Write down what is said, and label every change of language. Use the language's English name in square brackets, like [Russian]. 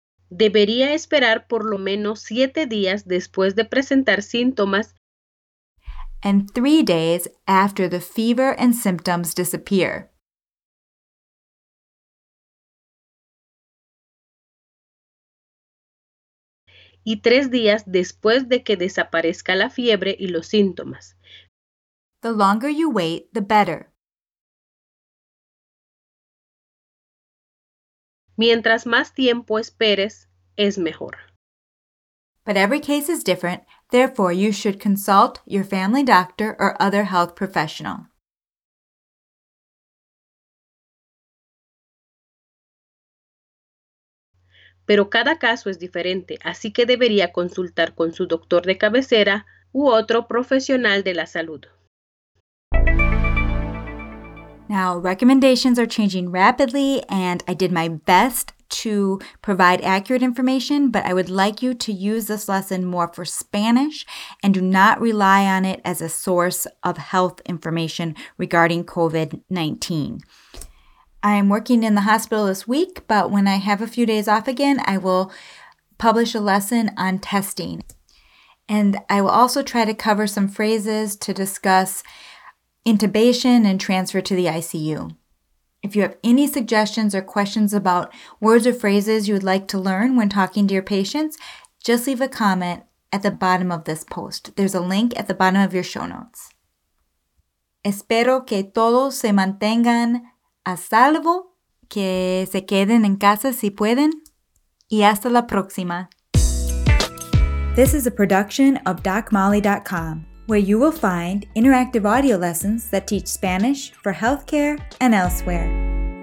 [Spanish] Debería esperar por lo menos 7 días después de presentar síntomas. [English] And 3 days after the fever and symptoms disappear. [Spanish] Y 3 días después de que desaparezca la fiebre y los síntomas. [English] The longer you wait, the better. [Spanish] Mientras más tiempo esperes, es mejor. [English] But every case is different, therefore you should consult your family doctor or other health professional. [Spanish] Pero cada caso es diferente, así que debería consultar con su doctor de cabecera u otro profesional de la salud. [English] Now, recommendations are changing rapidly, and I did my best to provide accurate information, but I would like you to use this lesson more for Spanish and do not rely on it as a source of health information regarding COVID-19. I am working in the hospital this week, but when I have a few days off again, I will publish a lesson on testing. And I will also try to cover some phrases to discuss intubation and transfer to the ICU. If you have any suggestions or questions about words or phrases you would like to learn when talking to your patients, just leave a comment at the bottom of this post. There's a link at the bottom of your show notes. [Spanish] Espero que todos se mantengan a salvo, que se queden en casa si pueden, y hasta la próxima. [English] This is a production of DocMolly.com, where you will find interactive audio lessons that teach Spanish for healthcare and elsewhere.